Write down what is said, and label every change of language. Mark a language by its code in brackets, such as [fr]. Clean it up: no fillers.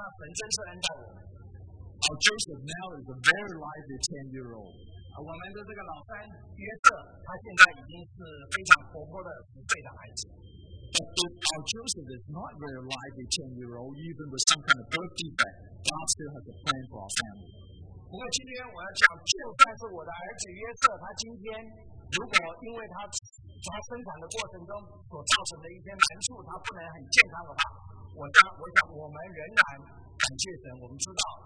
[en] Our Joseph now is a very lively 10-year-old. [zh] 我们的这个老三约瑟，他现在已经是非常活泼的5岁的孩子。 [en] But our Joseph is not very lively 10-year-old, even with some kind of birth defect. God still has a plan for our family. [zh] 不过今天我要讲，就算是我的儿子约瑟，他今天如果因为他生产的过程中所造成的一些难处，他不能很健康的话，我想我们仍然感谢神，我们知道。